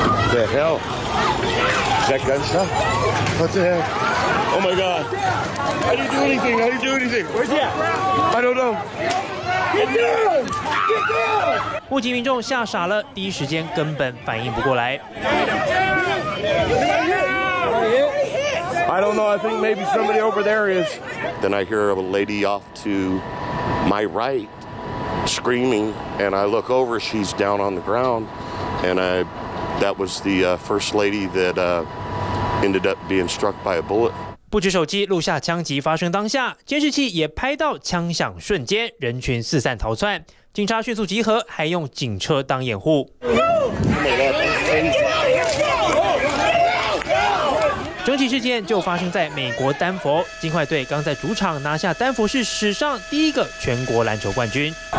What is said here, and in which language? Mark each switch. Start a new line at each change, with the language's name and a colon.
English: The hell? Is that gunshot? What the hell? Oh my god! I didn't do anything. I didn't do anything. Where's he at? I don't know. Get down! Get down!
Chinese: 目击民众吓傻了，第一时间根本反应不过来。
English: I don't know. I think maybe somebody over there is. Then I hear a lady off to. My right, screaming, and I look over, she's down on the ground, and that was the first lady that ended up being struck by a bullet.
Chinese: 不止手机录下枪击发生当下，监视器也拍到枪响瞬间，人群四散逃窜，警察迅速集合，还用警车当掩护。整体事件就发生在美国丹佛，金块队刚在主场拿下丹佛市史上第一个全国篮球冠军。